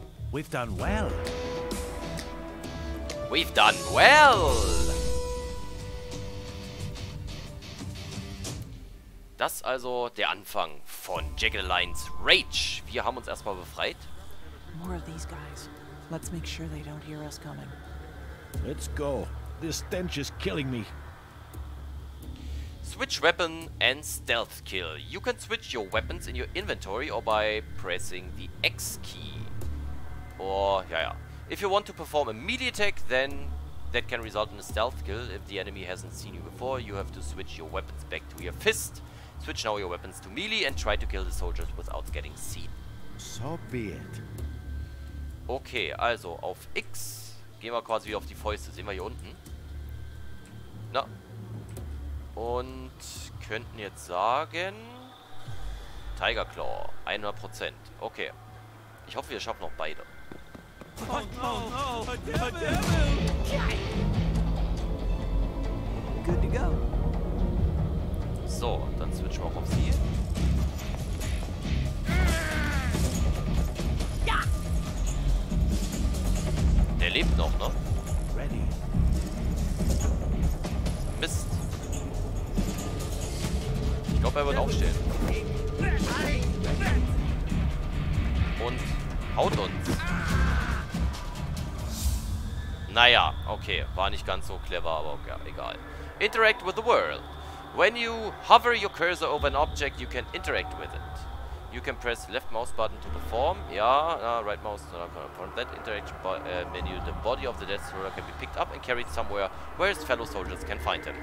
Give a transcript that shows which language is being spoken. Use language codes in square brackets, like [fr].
[en] We've done well. We've done well. [de] Das also der Anfang von Jagged Alliance Rage. Wir haben uns erstmal befreit. [en] More of these guys. Let's make sure they don't hear us coming. Let's go. This stench is killing me. Switch weapon and stealth kill. You can switch your weapons in your inventory or by pressing the X key. Or [de] ja ja. [en] If you want to perform a melee attack, then that can result in a stealth kill. If the enemy hasn't seen you before, you have to switch your weapons back to your fist. Switch now your weapons to melee and try to kill the soldiers without getting seen. So be it. [de] Okay, also auf X gehen wir quasi wieder auf die Fäuste. Sehen wir hier unten? Na, Und könnten jetzt sagen... Tiger Claw, 100%. Okay. Ich hoffe, wir schaffen noch beide. So, dann switchen wir auch auf sie. Der lebt noch, ne? [en] Ready. [de] Mist. Ich glaube, er wird aufstehen. Und haut uns. Naja, okay. War nicht ganz so clever, aber okay, egal. [en] Interact with the world. When you hover your cursor over an object, you can interact with it. You can press left mouse button to perform. From that interaction menu, the body of the Death Thriller can be picked up and carried somewhere where his fellow soldiers can find him.